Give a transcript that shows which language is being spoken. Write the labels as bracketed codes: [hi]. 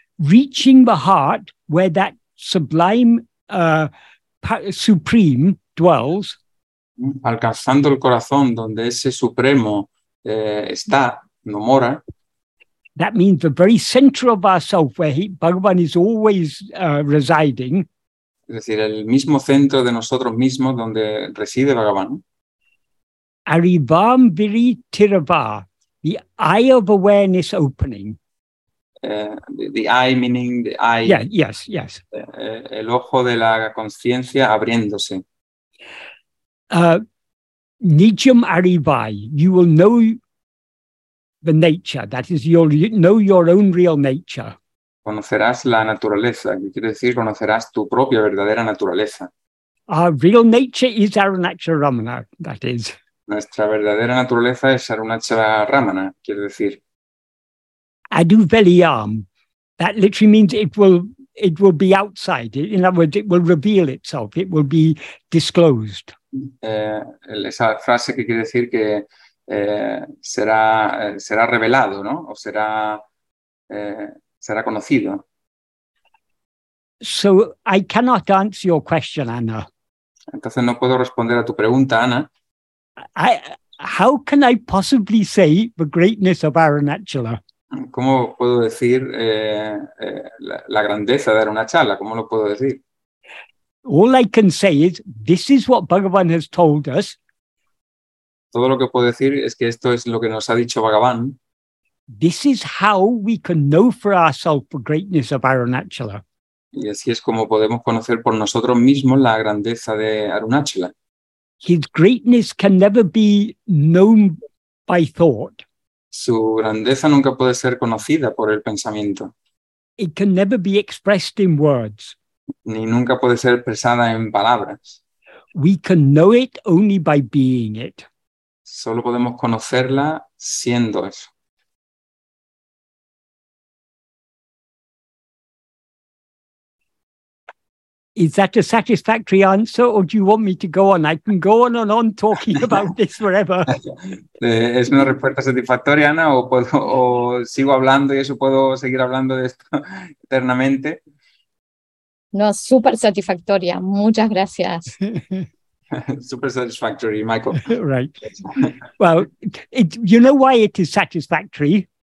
[en] Reaching the heart where that sublime supreme dwells. [es] Alcanzando el corazón donde ese supremo está, no mora. [en] That means the very center of ourself where Bhagavan is always residing. [es] Es decir, el mismo centro de nosotros mismos donde reside Bhagavan. [ta] Arivam viri tirava, [en] the eye of awareness opening. The eye meaning the eye. Yeah, yes, yes. [es] El ojo de la conciencia abriéndose. [ta] Nijam arivai, [en] you will know the nature, that is, know your own real nature. [es] Conocerás la naturaleza, que quiere decir conocerás tu propia verdadera naturaleza. [en] Our real nature is Arunacharamana, that is. [es] Nuestra verdadera naturaleza es Arunacharamana, quiere decir. [en] Aduvelliyam, that literally means it will be outside. In other words, it will reveal itself. It will be disclosed. [es] Esa frase que quiere decir que será revelado, ¿no? O será conocido. [en] So I cannot answer your question, Anna. [es] Entonces no puedo responder a tu pregunta, Ana. [en] How can I possibly say the greatness of Arunachala? [es] ¿Cómo puedo decir la grandeza de Arunachala? ¿Cómo lo puedo decir? [en] All I can say is this is what Bhagavan has told us. [es] Todo lo que puedo decir es que esto es lo que nos ha dicho Bhagavan. [en] This is how we can know for ourselves the greatness of Arunachala. [es] Y así es como podemos conocer por nosotros mismos la grandeza de Arunachala. [en] His greatness can never be known by thought. [es] Su grandeza nunca puede ser conocida por el pensamiento. [en] It can never be expressed in words. [es] Ni nunca puede ser expresada en palabras. [en] We can know it only by being it. [es] Solo podemos conocerla siendo eso. [en] Is that a satisfactory answer, or do you want me to go on? I can go on and on talking about this forever. [es] ¿Es una respuesta satisfactoria, Ana, o sigo hablando y eso puedo seguir hablando de esto eternamente? No, súper satisfactoria. Muchas gracias. [en] Súper satisfactory, Michael. Right. Well, you know why it is satisfactory?